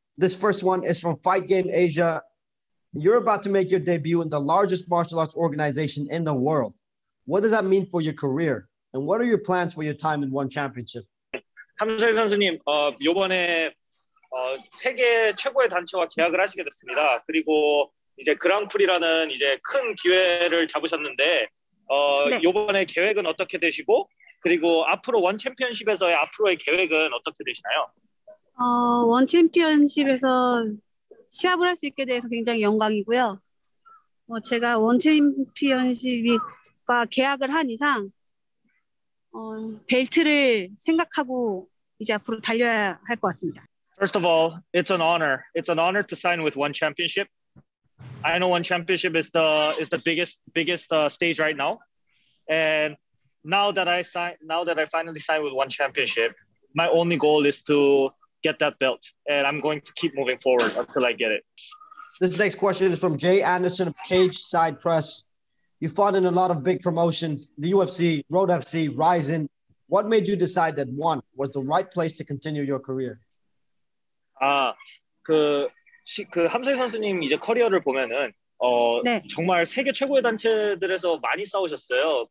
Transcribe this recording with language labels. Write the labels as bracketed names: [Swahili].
[English] This first one is from Fight Game Asia. You're about to make your debut in the largest martial arts organization in the world. What does that mean for your career? And what are your plans for your time in ONE Championship? [Korean] 함성희 선수님, 이번에 세계 최고의 단체와 계약을 하시게 됐습니다. 그리고 이제 그랑프리라는 이제 큰 기회를 잡으셨는데 이번에 계획은 어떻게 되시고 그리고 앞으로 ONE Championship에서의 앞으로의 계획은 어떻게 되시나요? 원 챔피언십에서 시합을 할 수 있게 돼서 굉장히 영광이고요. 제가 원 챔피언십과 계약을 한 이상 벨트를 생각하고 이제 앞으로 달려야 할 것 같습니다. [English] First of all, it's an honor. It's an honor to sign with ONE Championship. I know ONE Championship is the biggest stage right now. And now that I finally signed with ONE Championship, my only goal is to get that belt, and I'm going to keep moving forward until I get it. This next question is from Jay Anderson of Cage Side Press. You fought in a lot of big promotions, the UFC, Road FC, Ryzen. What made you decide that ONE was the right place to continue your career? [Korean] 함성희 선수님 이제 커리어를 보면은 네. 정말 세계 최고의 단체들에서 많이 싸우셨어요.